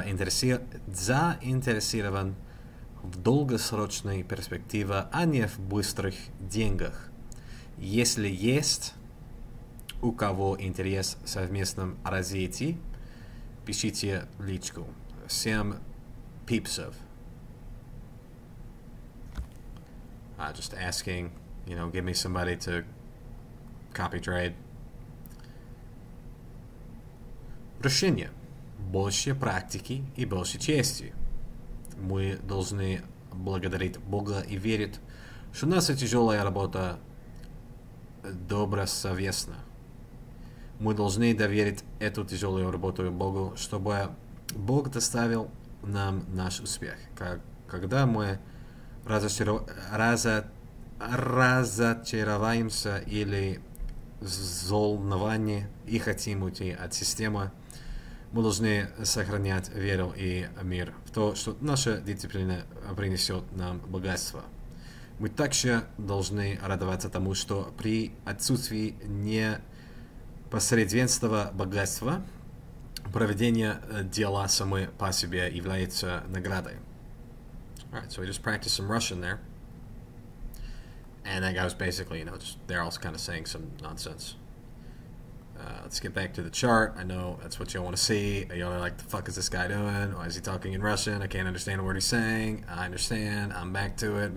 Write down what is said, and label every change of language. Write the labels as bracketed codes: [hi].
[ru] Заинтересован в долгосрочной перспективе, а не в быстрых деньгах. Если есть у кого интерес в совместном развитии, пишите личку. Всем пипсов. [en] Just asking, you know, give me somebody to copy trade. [ru] Прощение. Больше практики и больше чести. Мы должны благодарить Бога и верить, что наша тяжелая работа добросовестна. Мы должны доверить эту тяжелую работу Богу, чтобы Бог доставил нам наш успех. Когда мы разочароваемся или взволнованы и хотим уйти от системы, мы должны сохранять веру и мир в то, что наша дисциплина принесет нам богатство. Мы также должны радоваться тому, что при отсутствии непосредственного богатства проведение дела само по себе является наградой. [en] All right, so we just practiced some Russian there. And that guy was basically, you know, just, they're all kind of saying some nonsense. Let's get back to the chart. I know that's what y'all want to see. Y'all are like, the fuck is this guy doing? Why is he talking in Russian? I can't understand a word he's saying. I understand. I'm back to it.